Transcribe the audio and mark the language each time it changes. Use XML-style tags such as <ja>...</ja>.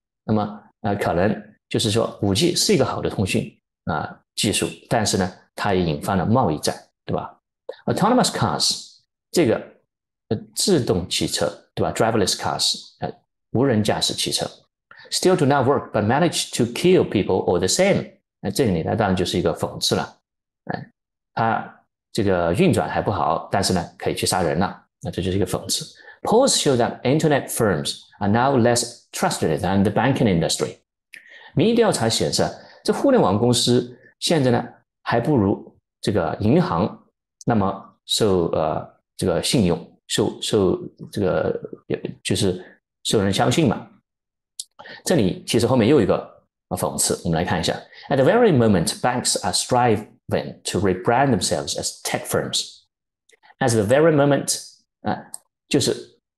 <zh>那么可能就是说武器是一个好的通讯技术，但是呢，它也引发了贸易战，对吧？Autonomous cars 这个自动汽车，对吧？Driverless cars 无人驾驶汽车 ，</zh> <en>still do not work but manage to kill people all the same。</en> <zh>这里呢，当然就是一个讽刺了，它这个运转还不好，但是呢，可以去杀人了，那这就是一个讽刺。</zh> <en>Polls show that internet firms are now less trusted than the banking industry。</en> <zh>民意调查显示，这互联网公司现在呢，还不如这个银行那么受这个信用，受这个就是受人相信嘛。这里其实后面又一个讽刺，我们来看一下。</zh> <en>At the very moment, banks are striving to rebrand themselves as tech firms. At the very moment,</en> <zh>就是</zh>